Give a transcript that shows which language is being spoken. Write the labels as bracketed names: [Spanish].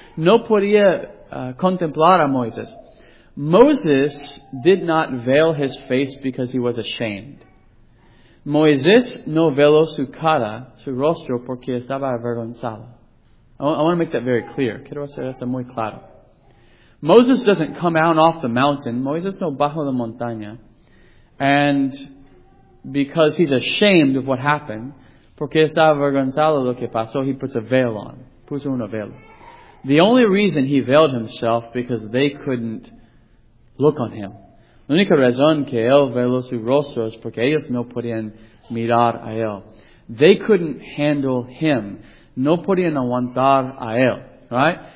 [Spanish] No podía contemplar a Moisés. [English] Moses did not veil his face because he was ashamed. [Spanish] Moisés no veló su cara, su rostro, porque estaba avergonzado. [English] I want to make that very clear. [Spanish] Quiero hacer eso muy claro. [English] Moses doesn't come out off the mountain. [Spanish] Moisés no bajo la montaña. [English] And because he's ashamed of what happened, [Spanish] porque está avergonzado lo que pasó, [English] he puts a veil on. [Spanish] Puso una vela. [English] The only reason he veiled himself because they couldn't look on him. [Spanish] La única razón que él veló su rostro es porque ellos no podían mirar a él. [English] They couldn't handle him. [Spanish] No podían aguantar a él, right?